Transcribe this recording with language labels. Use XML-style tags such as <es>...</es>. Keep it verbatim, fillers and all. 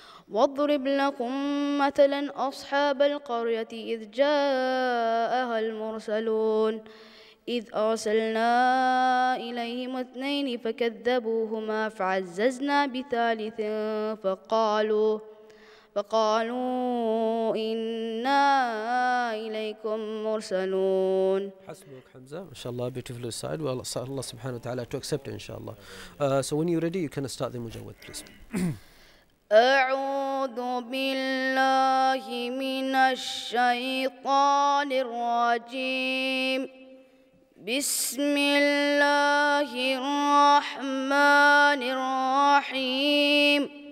<ar>واضرب لكم مثلا أصحاب القرية إذ جاءها المرسلون إذ أرسلنا إليهم اثنين فكذبوهما فعززنا بثالث فقالوا فقالوا إنا إليكم مرسلون. حسبك</ar> <en>Hamza. Inshallah, beautiful side. Well, Allah subhanahu wa ta'ala to accept it, inshallah. Uh, so when you're ready, you can start the mujawwad, please.</en> <ar>أعوذ بالله من الشيطان الرجيم بسم الله الرحمن الرحيم</ar>